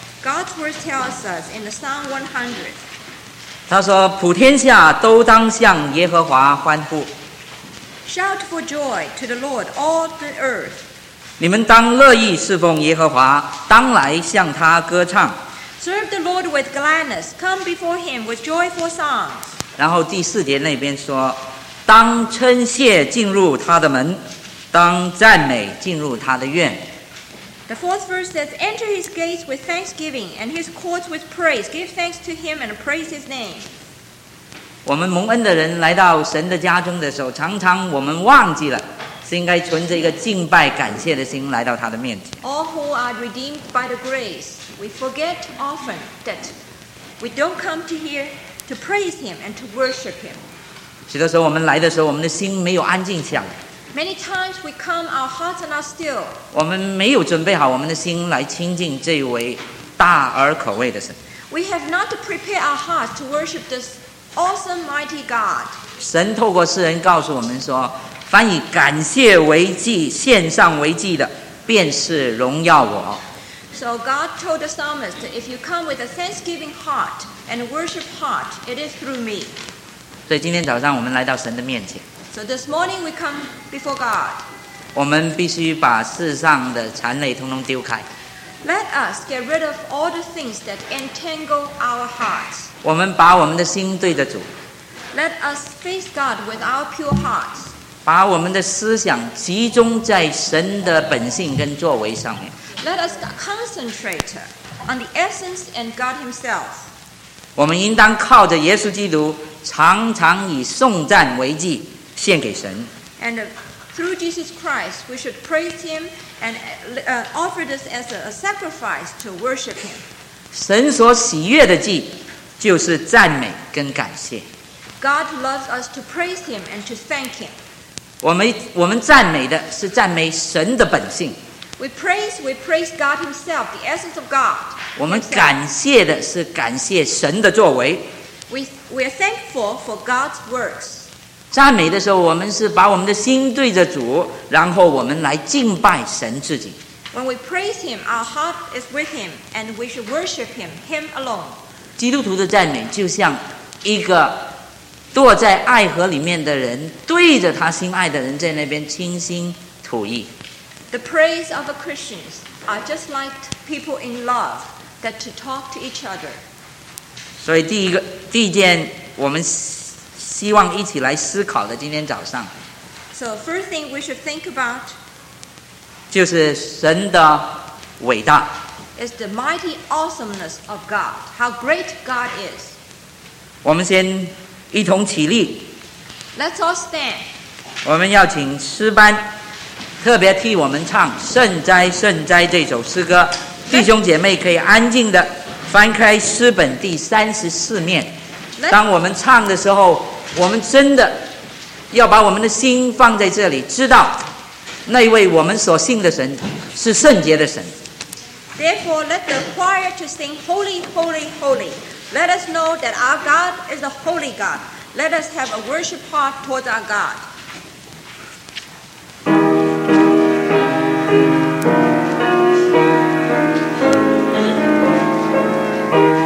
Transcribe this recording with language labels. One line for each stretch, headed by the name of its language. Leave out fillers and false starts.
English: God's word tells us in the Psalm 100,
Chinese: 他说普天下都当向耶和华欢呼，
English: Shout for joy to the Lord all the earth,
Chinese: 你们当乐意侍奉耶和华，当来向他歌唱，
English: Serve the Lord with gladness, come before him with joyful songs.
Chinese: 然后第四节那边说，当称谢进入他的门，当赞美进入他的院。
English: The fourth verse says, Enter his gates with thanksgiving, and his courts with praise. Give thanks to him and praise his name.
Chinese: 我们蒙恩的人来到神的家中的时候，常常我们忘记了，是应该存着一个敬拜感谢的心来到他的面前。
English: All who are redeemed by the grace, we forget often that we don't come to here to praise him and to worship him.
Chinese: 许多时候我们来的时候，我们的心没有安静下来。
English: Many times we come, our hearts are not still.
Chinese: 我们没有准备好我们的心来亲近这位大而可畏的神。
English: We have not prepared our hearts to worship this awesome, mighty God.
Chinese: 神透过世人告诉我们说，凡以感谢为祭、献上为祭的，便是荣耀我。
English: So God told the psalmist, if you come with a thanksgiving heart and a worship heart, it is through me.
Chinese: 所以今天早上我们来到神的面前。
English: So this morning we come before God.
Chinese: 我们必须把世上的缠累统统丢开。
English: Let us get rid of all the things that entangle our hearts.
Chinese: 我们把我们的心对着主。
English: Let us face God with our pure hearts.
Chinese: 把我们的思想集中在神的本性跟作为上面。
English: Let us concentrate on the essence and God Himself.
Chinese: 我们应当靠着耶稣基督，常常以颂赞为祭献给神。
English: And through Jesus Christ, we should praise Him and offer this as a sacrifice to worship Him.
Chinese: 神所喜悦的祭就是赞美跟感谢。
English: God loves us to praise Him and to thank Him.
Chinese: 我们赞美的是赞美神的本性。
English: We praise God Himself, the essence of God.
Chinese: 我们感谢的是感谢神的作为。
English: We are thankful for God's works.
Chinese: 赞美的时候，我们是把我们的心对着主，然后我们来敬拜神自己。
English: When we praise Him, our heart is with Him, and we should worship Him, Him alone.
Chinese: 基督徒的赞美就像一个坐在爱河里面的人，对着他心爱的人在那边倾心吐意。
English: The praise of the Christians are just like people in love that to talk to each other.
Chinese: 所以第一件我们希望一起来思考的今天早上。
English: So first thing we should think about
Chinese: 就是神的伟大。
English: Is the mighty awesomeness of God, how great God is.
Chinese: 我们先一同起立。
English: Let's all stand.
Chinese: 我们要请诗班特别替我们唱《圣哉圣哉》这首诗歌，弟兄姐妹可以安静的翻开诗本第34面。当我们唱的时候，我们真的要把我们的心放在这里，知道那位我们所信的神是圣洁的神。
English: Therefore, let the choir to sing, "Holy, holy, holy." Let us know that our God is a holy God. Let us have a worship heart towards our God.